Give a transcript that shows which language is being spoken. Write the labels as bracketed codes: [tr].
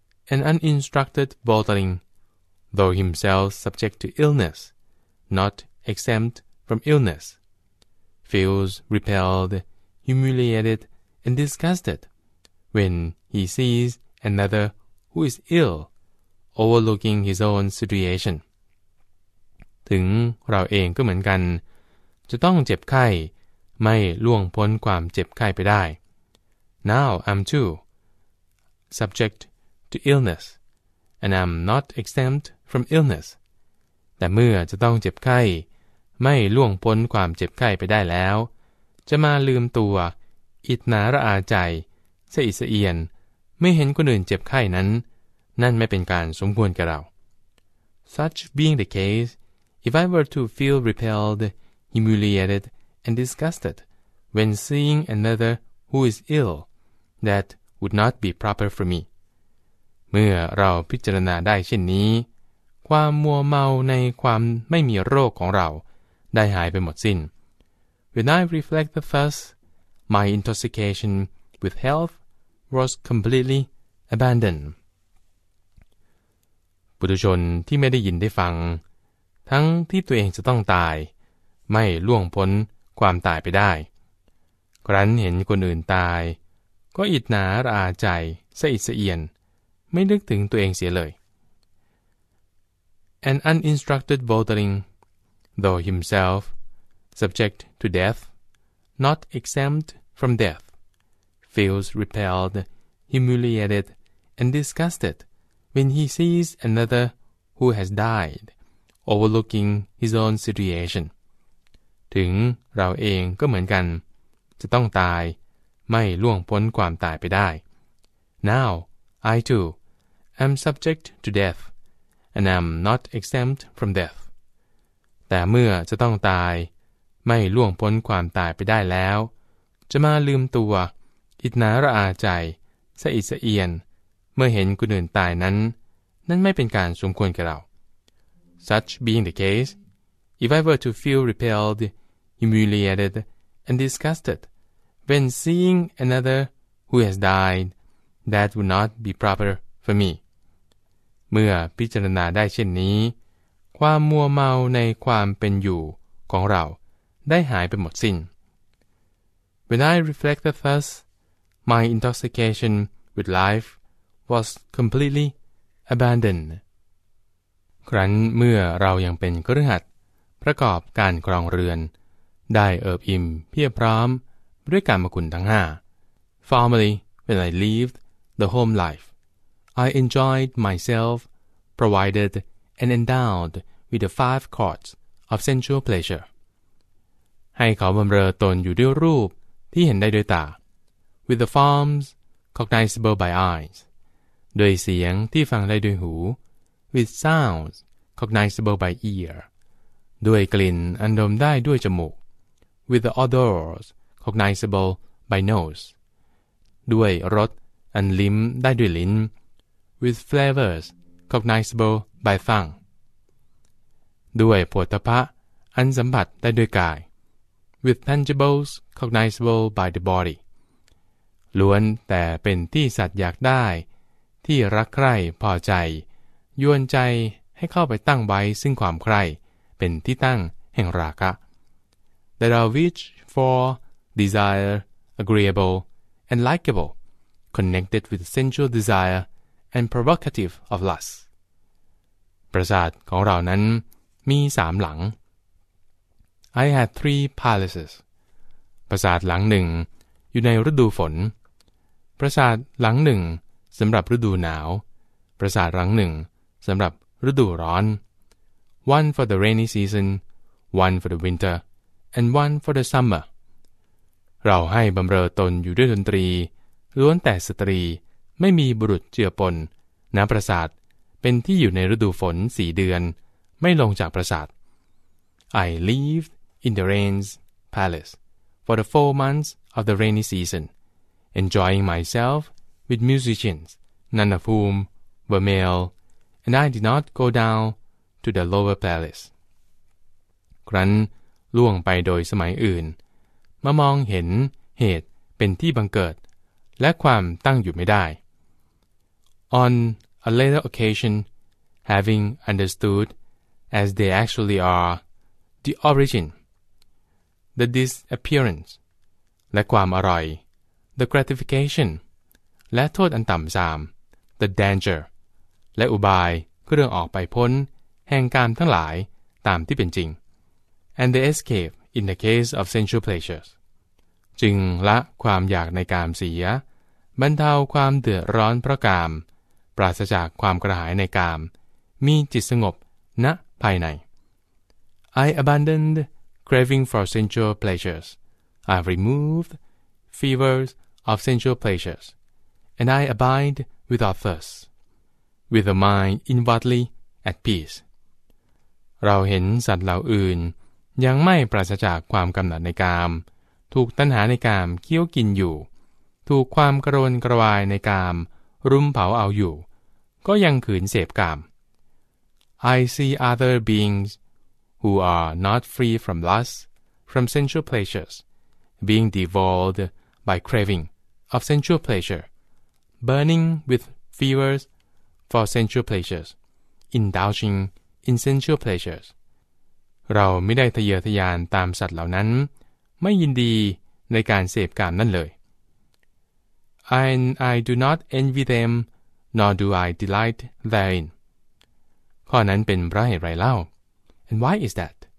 [en] An uninstructed worldling, though himself subject to illness, not exempt from illness, feels repelled, humiliated, and disgusted when he sees another who is ill, overlooking his own situation. [th] ถึงเราเองก็เหมือนกันจะต้องเจ็บไข้ไม่ล่วงพ้นความเจ็บไข้ไปได้ [en] Now I'm too subject to illness and I'm not exempt from illness [th] แต่เมื่อจะต้องเจ็บไข้ไม่ล่วงพ้นความเจ็บไข้ไปได้แล้วจะมาลืมตัวอิจฉาระอาใจเสียอิสเอียนไม่เห็นคนอื่นเจ็บไข้นั้นนั่นไม่เป็นการสมควรแก่เรา [en] Such being the case if I were to feel repelledHumiliated and disgusted when seeing another who is ill, that would not be proper for me. [th] เมื่อเราพิจารณาได้เช่นนี้ความมัวเมาในความไม่มีโรคของเราได้หายไปหมดสิ้น [en] When I reflect the first, my intoxication with health was completely abandoned. [th] ปุถุชนที่ไม่ได้ยินได้ฟังทั้งที่ตัวเองจะต้องตายไม่ล่วงพ้นความตายไปได้ครั้นเห็นคนอื่นตายก็อิจฉาระอาใจสะอิดสะเอียนไม่นึกถึงตัวเองเสียเลย [en] An uninstructed worldling, though himself subject to death, not exempt from death, feels repelled, humiliated, and disgusted when he sees another who has died, overlooking his own situation. [th] ถึงเราเองก็เหมือนกันจะต้องตายไม่ล่วงพ้นความตายไปได้ [en] Now I too am subject to death and am not exempt from death [th] แต่เมื่อจะต้องตายไม่ล่วงพ้นความตายไปได้แล้วจะมาลืมตัวอิจฉาระอาใจสะอิดสะเอียนเมื่อเห็นคนอื่นตายนั้นนั่นไม่เป็นการสมควรแก่เรา [en] Such being the caseIf I were to feel repelled, humiliated, and disgusted when seeing another who has died, that would not be proper for me. [th] เมื่อพิจารณาได้เช่นนี้ความมัวเมาในความเป็นอยู่ของเราได้หายไปหมดสิ้น [en] When I reflected thus, my intoxication with life was completely abandoned. [th] ครั้นเมื่อเรายังเป็นคฤหัสถ์ประกอบการครองเรือนได้เอิบอิ่มเพียบพร้อมด้วยกามคุณทั้ง5 [en] Formerly, when I lived the home life, I enjoyed myself, provided and endowed with the five courts of sensual pleasure. [th] ให้เขาบำเรอตนอยู่ด้วยรูปที่เห็นได้ด้วยตา [en] with the forms cognizable by eyes. [th] ด้วยเสียงที่ฟังได้ด้วยหู [en] with sounds cognizable by ear. [th] ด้วยกลิ่นอันดมได้ด้วยจมูก [en] with the odors cognizable by nose. [th] ด้วยรสอันลิ้มได้ด้วยลิ้น [en] with flavors cognizable by tongue [th] ด้วยโผฏฐัพพะอันสัมผัสได้ด้วยกาย [en] with tangibles cognizable by the body [th] ล้วนแต่เป็นที่สัตว์อยากได้ที่รักใคร่พอใจยวนใจให้เข้าไปตั้งไว้ซึ่งความใคร่เป็นที่ตั้งแห่งราคะ [en] that are which for desire agreeableand likable, connected with sensual desire and provocative of lust. [th] ปราสาทของเรานั้นมีสามหลัง [en] I had three palaces. [th] ปราสาทหลังหนึ่งอยู่ในฤดูฝนปราสาทหลังหนึ่งสำหรับฤดูหนาวปราสาทหลังหนึ่งสำหรับฤดูร้อน [en] One for the rainy season, one for the winter, and one for the summer. [th] เราให้บำเรอตนอยู่ด้วยดนตรีล้วนแต่สตรีไม่มีบุรุษเจือปนณปราสาทเป็นที่อยู่ในฤดูฝน4เดือนไม่ลงจากปราสาท [en] I lived in the rain's palace for the 4 months of the rainy season enjoying myself with musicians none of whom were male and I did not go down to the lower palace [th] ครั้นล่วงไปโดยสมัยอื่นมามองเห็นเหตุเป็นที่บังเกิดและความตั้งอยู่ไม่ได้ [en] On a later occasion, having understood, as they actually are, the origin, the disappearance, [th] และความอร่อย [en] the gratification, [th] และโทษอันต่ำทราม [en] the danger, [th] และอุบายเรื่องออกไปพ้นแห่งการทั้งหลายตามที่เป็นจริง [en] And the escapeIn the case of sensual pleasures, [th] จึงละความอยากในกามเสียบรรเทาความเดือดร้อนเพราะกามปราศจากความกระหายในกามมีจิตสงบณภายใน [en] I abandoned craving for sensual pleasures. I removed fevers of sensual pleasures, and I abide without thirst, with a mind inwardly at peace. [th] เราเห็นสัตว์เหล่าอื่นยังไม่ปราศจากความกำหนัดในกามถูกตัณหาในกามเคี้ยวกินอยู่ถูกความกระวนกระวายในกามรุมเผาเอาอยู่ก็ยังขืนเสพกาม [en] I see other beings who are not free from lust, from sensual pleasures, being devoured by craving of sensual pleasure, burning with fevers for sensual pleasures, indulging in sensual pleasures. [th] เราไม่ได้ทะเยอทะยานตามสัตว์เหล่านั้นไม่ยินดีในการเสพกามนั่นเลย [en] And I do not envy them nor do I delight therein [th] ข้อนั้นเป็นเพราะเหตุไรเล่า [en] And why is that